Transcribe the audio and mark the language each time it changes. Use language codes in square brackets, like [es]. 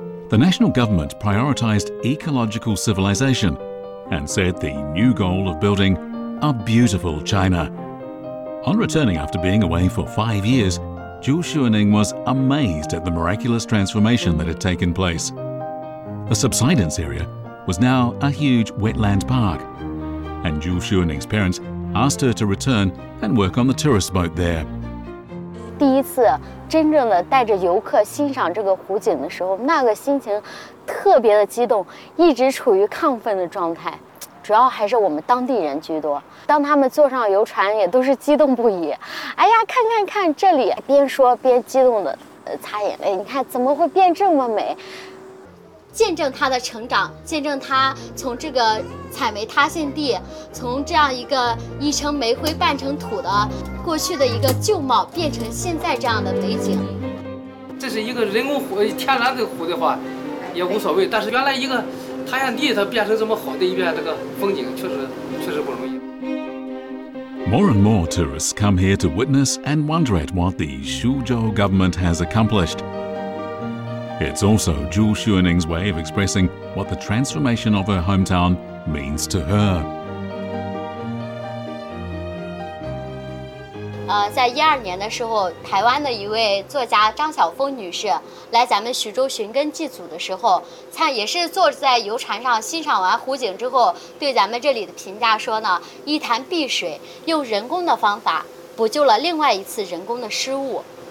[en] The national government prioritized ecological civilization and set the new goal of building a beautiful China.On returning after being away for 5 years, Zhu Xuaning was amazed at the miraculous transformation that had taken place. The subsidence area was now a huge wetland park, and Zhu Xuaning's parents asked her to return and work on the tourist boat there. [zh] 第一次真正的带着游客欣赏这个湖景的时候，那个心情特别的激动，一直处于亢奋的状态。主要还是我们当地人居多，当他们坐上游船也都是激动不已。哎呀，看看看这里，边说边激动的擦眼泪。你看怎么会变这么美？见证他的成长，见证他从这个采煤塌陷地，从这样一个一成煤灰半成土的过去的一个旧貌，变成现在这样的美景。这是一个人工湖，天然的湖的话也无所谓，但是原来一个塌陷地它变成这么好的一片这个风景，确实不容易。 [en] More and more tourists come here to witness and wonder at what the Shuzhou government has accomplished. It's also Zhu Xuaning's way of expressing what the transformation of her hometown means to her. [zh] 在一二年的时候，台湾的一位作家张晓峰女士来咱们徐州寻根祭祖的时候，也是坐在游船上欣赏完湖景之后，对咱们这里的评价说呢，一潭碧水，用人工的方法补救了另外一次人工的失误。